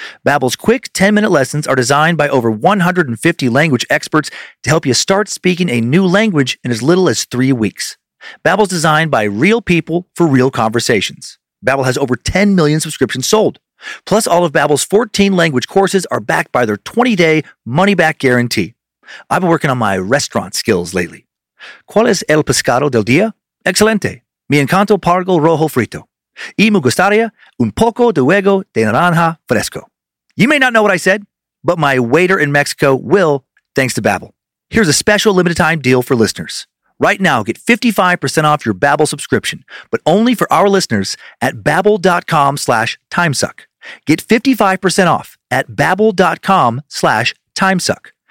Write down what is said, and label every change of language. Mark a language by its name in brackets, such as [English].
[English] Babbel's quick 10-minute lessons are designed by over 150 language experts to help you start speaking a new language in as little as 3 weeks. Babbel's designed by real people for real conversations. Babbel has over 10 million subscriptions sold. Plus, all of Babbel's 14 language courses are backed by their 20-day money-back guarantee. I've been working on my restaurant skills lately. [Spanish] ¿Cuál es el pescado del día? Excelente. Mi encanto pargo rojo frito. Y me gustaría un poco de huevo de naranja fresco. [English] You may not know what I said, but my waiter in Mexico will, thanks to Babbel. Here's a special limited time deal for listeners. Right now, get 55% off your Babbel subscription, but only for our listeners at babbel.com/timesuck. Get 55% off at babbel.com/timesuck.